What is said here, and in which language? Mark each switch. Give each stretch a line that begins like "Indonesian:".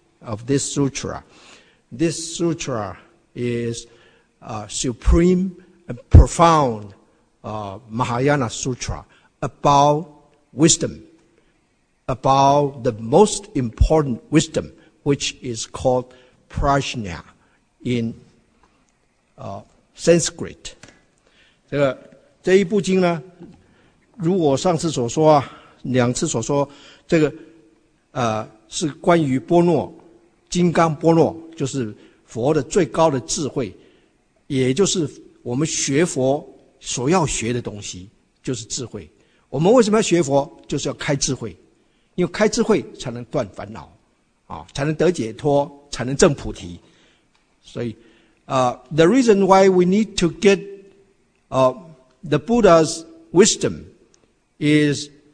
English: Of this sutra. This sutra is supreme and profound Mahayana sutra about wisdom, about the most important wisdom, which is called prajna in Sanskrit.
Chinese: 这个这一部经呢，如我上次所说啊，两次所说，这个是关于波若。金刚波若就是佛的最高的智慧，也就是我们学佛所要学的东西，就是智慧。我们为什么要学佛？就是要开智慧，因为开智慧才能断烦恼，才能得解脱，才能证菩提。所以
English: the reason why we need to get the Buddha's wisdom is